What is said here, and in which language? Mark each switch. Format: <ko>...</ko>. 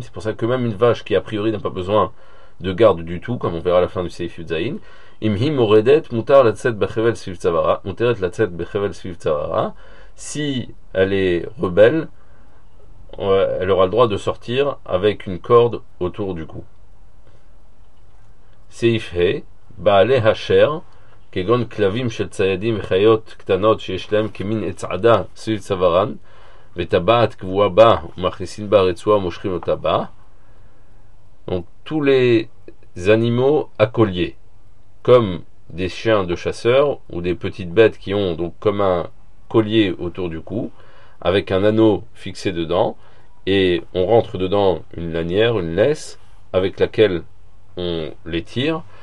<fr>C'est pour ça que même une vache qui a priori n'a pas besoin de garde du tout, comme on verra à la fin du Seif Yud Zayin,</fr> <he>Imhi Moredet, Mutar Latzet Bechevel Seif Tzavara,</he> <fr>Muteret Latzet Bechevel Seif Tzavara, si elle est rebelle, elle aura le droit de sortir avec une corde autour du cou.</fr> <he>Seif He, בעלי השר, כגון כלבים של ציידים וחיות קטנות שיש להם כמין הצעדה סביב צווארן וטבעת קבועה בה ומכניסים בה רצועה ומושכים אותה בה.</he> <fr>Donc tous les animaux à collier, comme des chiens de chasseurs ou des petites bêtes qui ont donc comme un collier autour du cou, avec un anneau fixé dedans, et on rentre dedans une lanière, une laisse, avec laquelle on les tire.</fr>